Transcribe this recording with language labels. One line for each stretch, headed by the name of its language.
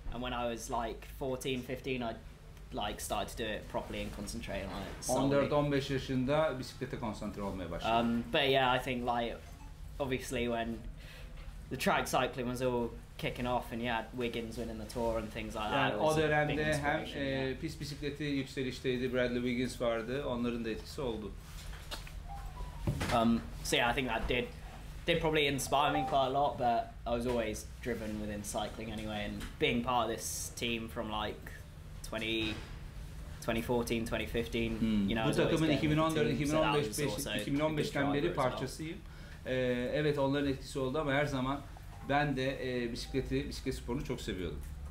English: And when I was like 14, 15, I like started to do it properly and concentrate on it.
Turkish: 14-15 yaşında bisiklete konsantre olmaya başladım.
English: But yeah, I think like obviously when the track cycling was all kicking off and yeah, Wiggins winning the tour and things like that.
Turkish: Yani o dönemde hem pis bisikleti yükselişteydi, Bradley Wiggins vardı, onların da etkisi oldu.
English: So yeah, I think that did probably inspire me quite a lot, but I was always driven within cycling anyway, and being part of this team from like 2014, 2015, you know,
Turkish: bu takımın 2015'ten beri parçasıyım. Evet, onların etkisi oldu ama her zaman ben de bisiklet sporunu çok seviyordum.